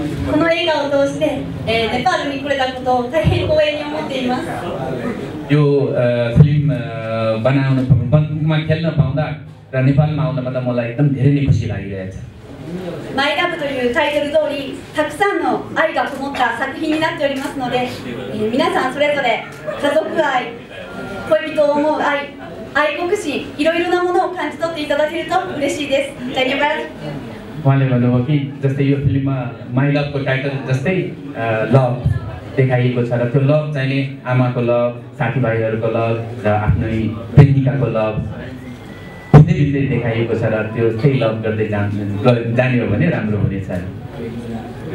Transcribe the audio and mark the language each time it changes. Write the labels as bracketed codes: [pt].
[ja] この映画を通して、ネパールに来れたことを大変光栄に思っています。 [ne] यो फिल्म बनाउन बनमा खेल्न पाउँदा र नेपालमा आउन पाउँदा मलाई एकदम धेरै नै खुसी लागिरहेको छ। [ja] My Love というタイトル通り、たくさんの愛がこもった作品になっておりますので、皆さんそれぞれ家族愛、恋人を思う愛、愛国心、いろいろなものを感じ取っていただけると嬉しいです。大丈夫です。 [ne] उहाँले भन्नुभयो कि जस्तै यो फिल्ममा माई लभको टाइटल जस्तै लभ देखाइएको छ, र त्यो लभ चाहिँ नि आमाको लभ, साथीभाइहरूको लभ र आफ्नै प्रेमिकाको लभ भित्रै भित्रै देखाइएको छ, र त्यो त्यही लभ गर्दै जाने हो भने राम्रो हुनेछ।